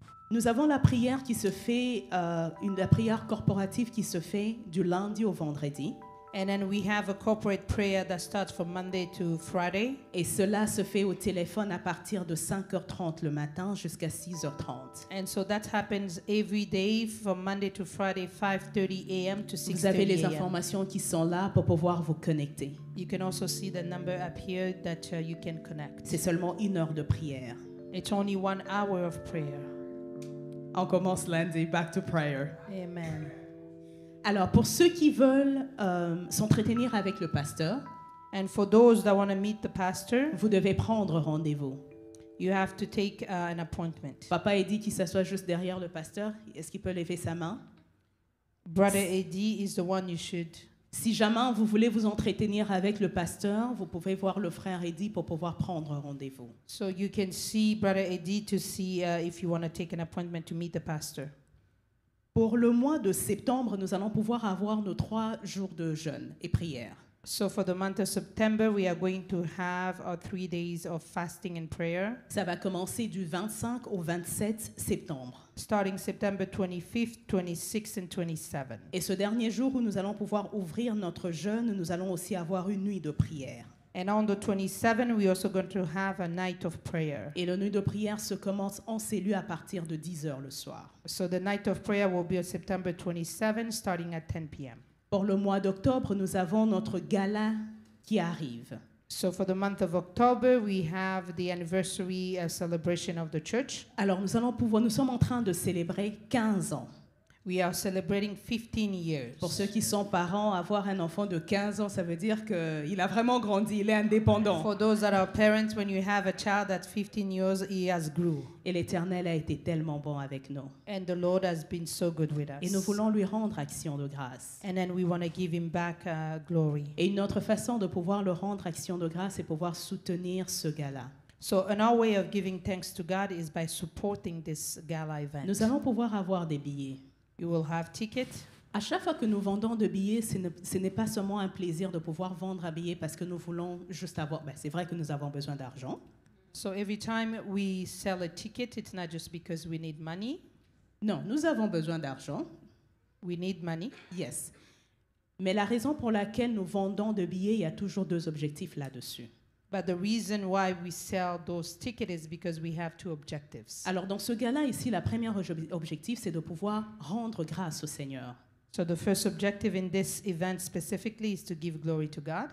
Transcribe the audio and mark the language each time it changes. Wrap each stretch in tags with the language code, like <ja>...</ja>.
<fr>Nous avons la prière qui se fait, la prière corporative qui se fait du lundi au vendredi.</fr> <en>And then we have a corporate prayer that starts from Monday to Friday.</en> <fr>Et cela se fait au téléphone à partir de 5h30 le matin jusqu'à 6h30.</fr> <en>And so that happens every day from Monday to Friday, 5:30 a.m. to 6:30 a.m.</en> <fr>Vous avez les informations qui sont là pour pouvoir vous connecter.</fr> <en>You can also see the number up here that you can connect.</en> <fr>C'est seulement une heure de prière.</fr> <en>It's only 1 hour of prayer.</en> <fr>On commence lundi,</fr> <en>back to prayer.</en> <fr>Amen. Alors, pour ceux qui veulent s'entretenir avec le pasteur,</fr> <en>and for those that want to meet the pastor,</en> <fr>vous devez prendre rendez-vous.</fr> <en>You have to take an appointment.</en> <fr>Papa Eddie qui s'assoit juste derrière le pasteur, est-ce qu'il peut lever sa main?</fr> <en>Brother Eddie is the one you should.</en> <fr>Si jamais vous voulez vous entretenir avec le pasteur, vous pouvez voir le frère Eddie pour pouvoir prendre rendez-vous.</fr> <en>So you can see Brother Eddie to see if you want to take an appointment to meet the pastor.</en> <fr>Pour le mois de septembre, nous allons pouvoir avoir nos 3 jours de jeûne et prière.</fr> <en>So for the month of September, we are going to have our 3 days of fasting and prayer.</en> <fr>Ça va commencer du 25 au 27 septembre.</fr> <en>Starting September 25th, 26th and 27th.</en> <fr>Et ce dernier jour où nous allons pouvoir ouvrir notre jeûne, nous allons aussi avoir une nuit de prière.</fr> <en>And on the 27th, we are also going to have a night of prayer.</en> <fr>Et la nuit de prière se commence en cellule à partir de 10 heures le soir.</fr> <en>So the night of prayer will be on September 27th, starting at 10 p.m.</en> <fr>Pour le mois d'octobre, nous avons notre gala qui arrive.</fr> <en>So for the month of October, we have the anniversary celebration of the church.</en> <fr>Alors nous sommes en train de célébrer 15 ans.</fr> <en>We are celebrating 15 years.</en> <fr>Pour ceux qui sont parents, avoir un enfant de 15 ans, ça veut dire qu'il a vraiment grandi, il est indépendant.</fr> <en>For those that are parents, when you have a child at 15 years, he has grew.</en> <fr>Et l'Éternel a été tellement bon avec nous.</fr> <en>And the Lord has been so good with us.</en> <fr>Et nous voulons lui rendre action de grâce.</fr> <en>And then we want to give him back glory.</en> <fr>Et une autre façon de pouvoir le rendre action de grâce, c'est pouvoir soutenir ce gala.</fr> <en>So another way of giving thanks to God is by supporting this gala event.</en> <fr>Nous allons pouvoir avoir des billets.</fr> <en>You will have tickets.</en> <fr>À chaque fois que nous vendons des billets, ce n'est pas seulement un plaisir de pouvoir vendre un billet parce que nous voulons juste avoir. Ben c'est vrai que nous avons besoin d'argent.</fr> <en>So every time we sell a ticket, it's not just because we need money.</en> <fr>Non, nous avons besoin d'argent.</fr> <en>We need money. Yes.</en> <fr>Mais la raison pour laquelle nous vendons des billets, il y a toujours 2 objectifs là-dessus.</fr> <en>But the reason why we sell those tickets is because we have 2 objectives.</en> <fr>Alors dans ce gala ici, la première objectif c'est de pouvoir rendre grâce au Seigneur.</fr> <en>So the first objective in this event specifically is to give glory to God.</en>